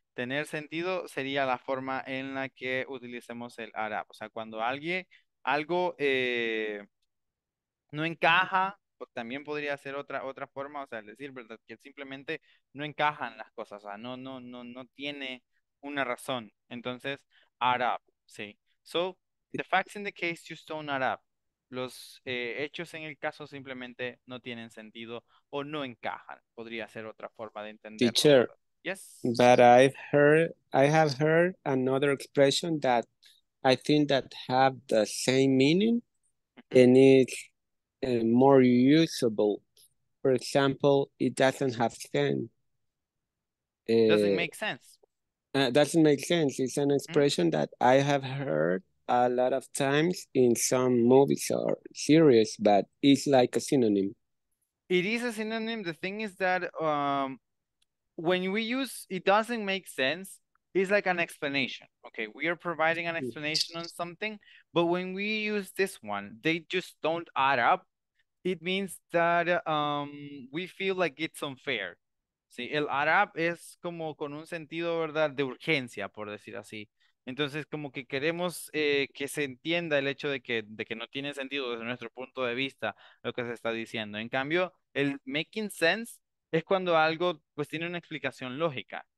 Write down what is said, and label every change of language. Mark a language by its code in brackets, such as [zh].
[es] Tener sentido sería la forma en la que utilicemos el add up, o sea, cuando alguien, algo no encaja, pues también podría ser otra forma, o sea, decir, ¿verdad? Que simplemente no encajan las cosas, o sea, no tiene una razón, entonces add up, ¿sí? [en] So, the facts in the case just don't add up. [es] Los hechos en el caso simplemente no tienen sentido o no encajan. Podría ser otra forma de entenderlo. [en] Teacher, yes. But I have heard another expression that I think that have the same meaning and it's more usable. For example, it doesn't have sense. Doesn't make sense. Doesn't make sense. It's an expression that I have heard a lot of times in some movies or series, but it's like a synonym. It is a synonym. The thing is that when we use it doesn't make sense, it's like an explanation. Okay, we are providing an explanation on something, but when we use this one, they just don't add up. It means that we feel like it's unfair. [es] Sí, el add up es como con un sentido, ¿verdad?, de urgencia, por decir así. Entonces, como que queremos que se entienda el hecho de que no tiene sentido desde nuestro punto de vista lo que se está diciendo. En cambio, el making sense es cuando algo pues tiene una explicación lógica.